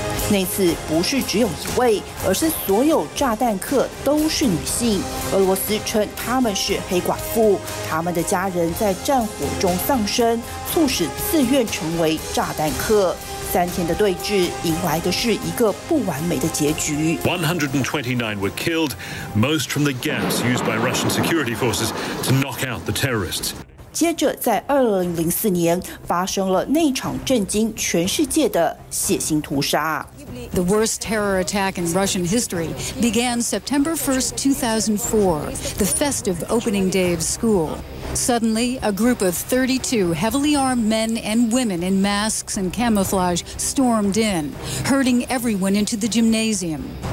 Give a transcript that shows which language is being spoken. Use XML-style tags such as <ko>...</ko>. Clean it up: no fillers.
<zh>那次不是只有一位，而是所有炸弹客都是女性。俄罗斯称他们是黑寡妇，他们的家人在战火中丧生，促使自愿成为炸弹客。三天的对峙迎来的是一个不完美的结局。</zh> <en>129 were killed, most from the gas used by Russian security forces to knock out the terrorists.</en> <zh>接着，在2004年发生了那场震惊全世界的血腥屠杀。</zh> <en>The worst terror attack in Russian history began September 1st, 2004, the festive opening day of school. Suddenly, a group of 32 heavily armed men and women in masks and camouflage stormed in, herding everyone into the gymnasium.</en>